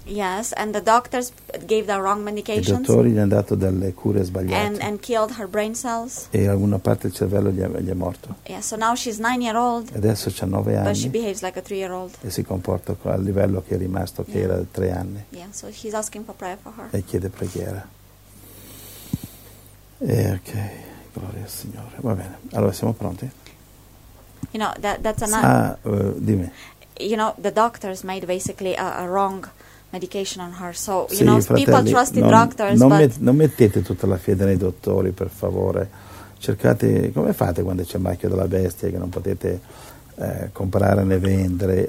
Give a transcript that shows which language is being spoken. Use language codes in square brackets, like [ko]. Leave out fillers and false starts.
[en] Yes, and the doctors gave the wrong medications. [it] I dottori gli hanno dato delle cure sbagliate. [en] And killed her brain cells. [it] E alguna parte del cervello gli è morto. [en] Yes, so now she's 9 years old. [it] Adesso c'ha 9 anni. [en] But she behaves like a 3-year-old. [it] E si comporta al livello che è rimasto, che era 3 anni. [en] Yeah, so he's asking for prayer for her. [it] E chiede preghiera. E ok, gloria al Signore. Va bene, allora siamo pronti? [en] You know, that's another... [it] Dimmi. [en] You know, the doctors made basically a wrong medication on her. So, [it] sì, [en] you know, [it] fratelli, [en] people trust in doctors, [it] non mettete tutta la fede nei dottori, per favore. Cercate, come fate quando c'è il marchio della bestia che non potete comprare né vendere?